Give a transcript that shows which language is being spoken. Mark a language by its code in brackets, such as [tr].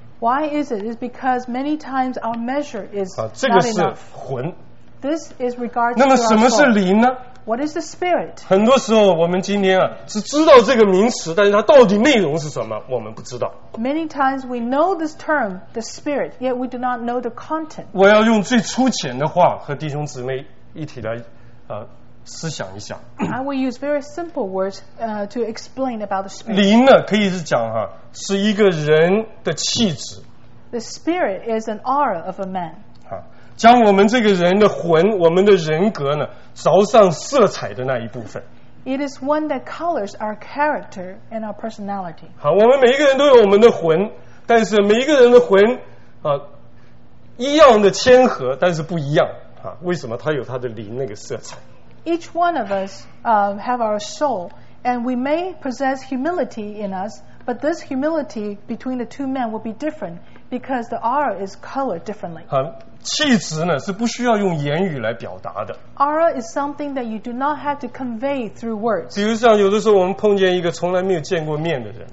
[en] Why is it? It's because many times our measure is not enough. [zh] 这个是魂。 [en] This is regards. [zh] 那么什么是灵呢？ [en] What is the spirit? [zh] 很多时候我们今天啊，只知道这个名词，但是它到底内容是什么，我们不知道。 [en] Many times we know this term, the spirit, yet we do not know the content. [zh] 我要用最粗浅的话和弟兄姊妹一起来思想一想。 [en] I will use very simple words to explain about the spirit. [zh] 灵呢，可以是讲哈，是一个人的气质。 [en] The spirit is an aura of a man. [zh] 啊，将我们这个人的魂，我们的人格呢，着上色彩的那一部分。 [en] It is one that colors our character and our personality. [zh] 好，我们每一个人都有我们的魂，但是每一个人的魂啊，一样的谦和，但是不一样啊。为什么他有他的灵那个色彩？ [en] Each one of us have our soul, and we may possess humility in us, but this humility between the two men will be different because the aura is colored differently. [zh] 气质呢是不需要用言语来表达的。 [en] Aura is something that you do not have to convey through words. [zh] 比如像有的时候我们碰见一个从来没有见过面的人。